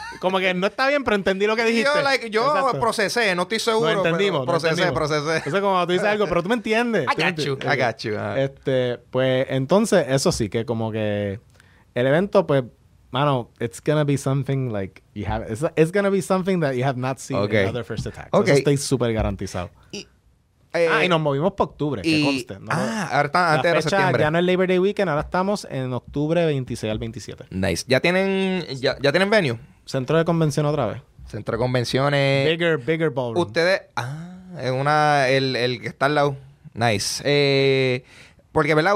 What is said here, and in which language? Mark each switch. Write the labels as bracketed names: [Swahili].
[Spanish] Como que no está bien, pero entendí lo que dijiste. Yo, procesé, no estoy seguro. No entendimos. Procesé. Eso es como tú dices algo, pero tú me entiendes. [English] I got you. [Spanish] Pues entonces, eso sí, que como que el evento, pues, mano, [English] it's gonna be something like you have. It's gonna be something that you have not seen in other First Attacks. Okay. [Spanish] Eso estoy súper garantizado. Y nos movimos para octubre, que conste. ¿No? Antes la fecha era septiembre. Ya no es Labor Day Weekend, ahora estamos en octubre 26 al 27. [English] Nice. [Spanish] ¿Ya tienen venue? Centro de convención otra vez. Centro de convenciones. [English] Bigger ballroom. [Spanish] Ustedes. Es una. El que está al lado. [English] Nice. [Spanish] Porque, ¿verdad?